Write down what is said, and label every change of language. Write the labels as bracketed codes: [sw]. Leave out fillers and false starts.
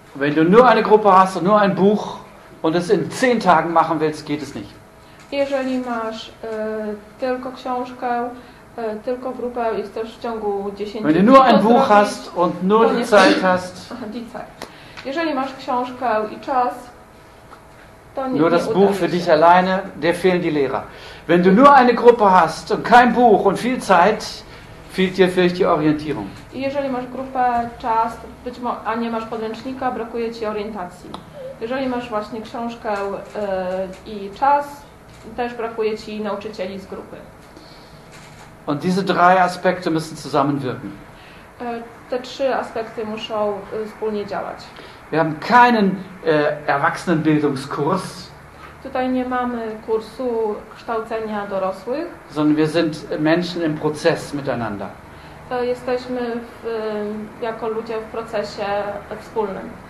[de] Wenn du nur eine Gruppe hast und nur ein Buch und es in 10 Tagen machen willst, geht es nicht. [pl] Jeżeli masz tylko książkę, tylko grupę i chcesz w ciągu 10 [de] dni. Wenn du nur ein Buch hast und nur die Zeit hast. [pl] Jeżeli masz książkę i czas, [de] nur das Buch für dich alleine, dir fehlen die Lehrer. Wenn du nur eine Gruppe hast und kein Buch und viel Zeit, fehlt dir vielleicht die Orientierung. [pl] Jeżeli masz grupę, czas, a nie masz podręcznika, brakuje ci orientacji. Jeżeli masz właśnie książkę i czas, też brakuje ci nauczycieli z grupy. [de] Und diese drei Aspekte müssen zusammenwirken. [pl] Te trzy aspekty muszą wspólnie działać. [de] Wir haben keinen Erwachsenenbildungskurs. [pl] Tutaj nie mamy kursu kształcenia dorosłych. [de] Sondern wir sind Menschen im Prozess miteinander. [pl] Jesteśmy jako ludzie w procesie wspólnym.